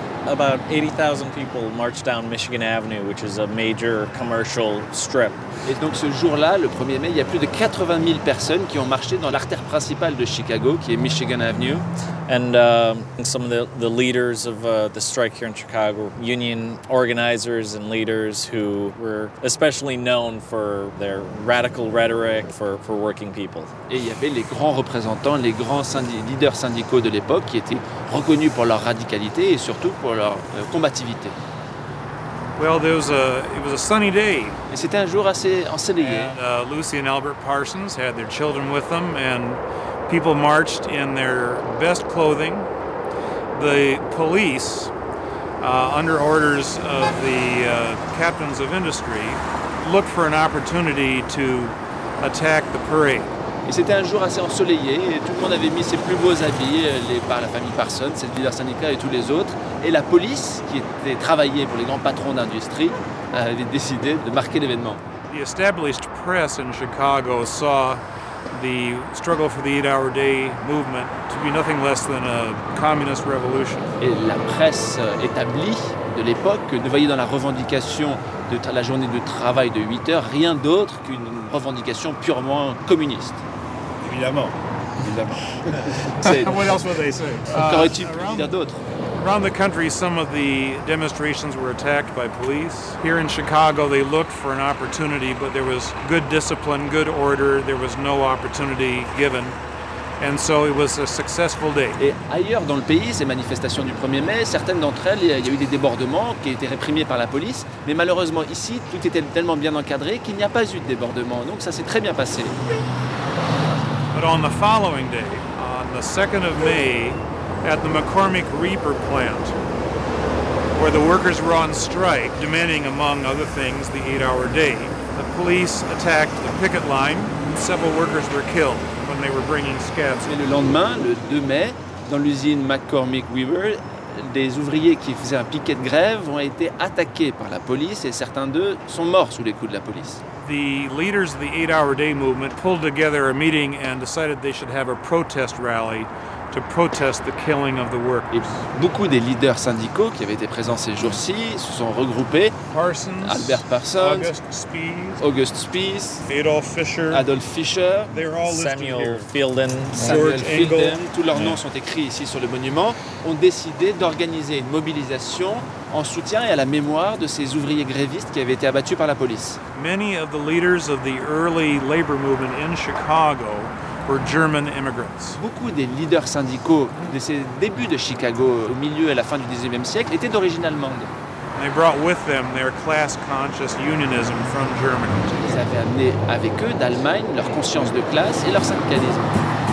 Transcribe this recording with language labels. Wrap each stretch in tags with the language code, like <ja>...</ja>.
<en>About 80,000 people marched down Michigan Avenue, which is a major commercial strip.</en> <fr>Et donc ce jour-là, le 1er mai, il y a plus de 80 000 personnes qui ont marché dans l'artère principale de Chicago, qui est Michigan Avenue.</fr> <en>And some of the leaders of the strike here in Chicago, union organizers and leaders who were especially known for their radical rhetoric for working people.</en> <fr>Et il y avait les grands représentants, les grands leaders syndicaux de l'époque qui étaient reconnus pour leur radicalité et surtout pour leur combativité.</fr> <en>Well, there was it was a sunny day.</en> <fr>Et c'était un jour assez ensoleillé.</fr> <en>And, Lucy and Albert Parsons had their children with them, and people marched in their best clothing. The police, under orders of the captains of industry, looked for an opportunity to attack the parade.</en> <fr>Et c'était un jour assez ensoleillé, et tout le monde avait mis ses plus beaux habits, par la famille Parsons, cette leader syndicale et tous les autres. Et la police, qui était travaillée pour les grands patrons d'industrie, avait décidé de marquer l'événement.</fr> <en>The established press in Chicago saw the struggle for the 8-hour day movement to be nothing less than a communist revolution.</en> <fr>Et la presse établie de l'époque ne voyait dans la revendication de la journée de travail de 8 heures rien d'autre qu'une revendication purement communiste. Évidemment.</fr> <en>What else would they say? Around the country, some of the demonstrations were attacked by police. Here in Chicago, they looked for an opportunity, but there was good discipline, good order. There was no opportunity given. And so it was a successful day.</en> <fr>Et ailleurs dans le pays, ces manifestations du 1er mai, certaines d'entre elles, il y a eu des débordements qui étaient réprimés par la police. Mais malheureusement, ici, tout était tellement bien encadré qu'il n'y a pas eu de débordement. Donc ça s'est très bien passé.</fr> <en>But on the following day, on the 2nd of May, at the McCormick Reaper plant, where the workers were on strike, demanding, among other things, the 8-hour day, the police attacked the picket line, and several workers were killed when they were bringing scabs.</en> <fr>Et le lendemain, le 2 mai, dans l'usine McCormick Reaper, des ouvriers qui faisaient un piquet de grève ont été attaqués par la police et certains d'eux sont morts sous les coups de la police.</fr> <en>The leaders of the 8-hour day movement pulled together a meeting and decided they should have a protest rally to protest the killing of the workers.</en> <fr>Et beaucoup des leaders syndicaux qui avaient été présents ces jours-ci se sont regroupés. Parsons, Albert Parsons, August Spies, Adolf Fischer, Samuel Fielden, tous leurs noms sont écrits ici sur le monument, ont décidé d'organiser une mobilisation en soutien et à la mémoire de ces ouvriers grévistes qui avaient été abattus par la police.</fr> <en>Many of the leaders of the early labor movement in Chicago were German immigrants.</en> <fr>Beaucoup des leaders syndicaux de ces débuts de Chicago au milieu et à la fin du 19e siècle étaient d'origine allemande.</fr> <en>They brought with them their class-conscious unionism from Germany.</en> <fr>Ils avaient amené avec eux d'Allemagne leur conscience de classe et leur syndicalisme.</fr>